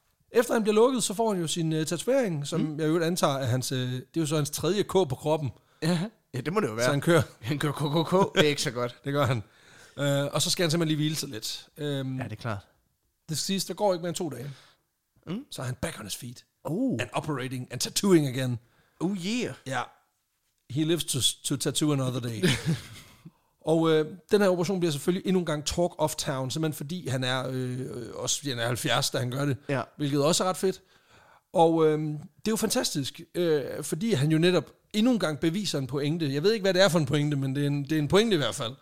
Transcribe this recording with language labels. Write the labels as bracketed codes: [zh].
[da] Efter han bliver lukket, så får han jo sin tatovering, som jeg jo antager, at hans, det er jo så hans tredje K på kroppen. Ja. Ja, det må det jo være. Så han kører. Han kører KKK. Det er ikke så godt. Det gør han. Og så skal han simpelthen lige hvile sig lidt. Ja, det er klart. Det sidste går ikke mere end 2 dage. [en] Mm. [da] Så er han [en] back on his feet. Oh. And operating and tattooing again. Oh yeah. [da] Ja. [en] He lives to tattoo another day. [da] Og den her operation bliver selvfølgelig endnu en gang [en] talk of town, [da] simpelthen fordi han er også han er 70, da han gør det. Ja. Hvilket også er ret fedt. Og det er jo fantastisk, fordi han jo netop endnu en gang beviser en pointe. Jeg ved ikke, hvad det er for en pointe, men det er en pointe i hvert fald.